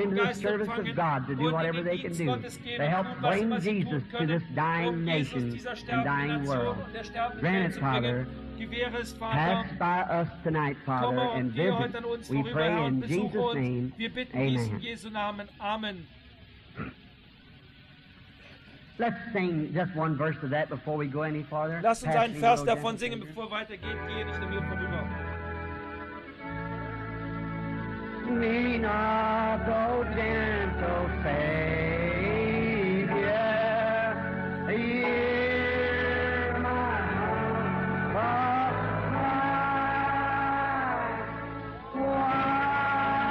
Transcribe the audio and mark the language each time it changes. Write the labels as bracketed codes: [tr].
[en] into the service of God to do whatever they can do, to help bring Jesus to this dying nation and dying world. Grant it, Father, pass by us tonight, Father, and visit. We pray in Jesus' name, Amen. Let's sing just one verse of that before we go any farther. [de] Lass uns einen Vers davon singen, bevor wir weitergehen. Gehe nicht an mir vorüber. [en] Me not, O gentle Savior, hear my humble cry.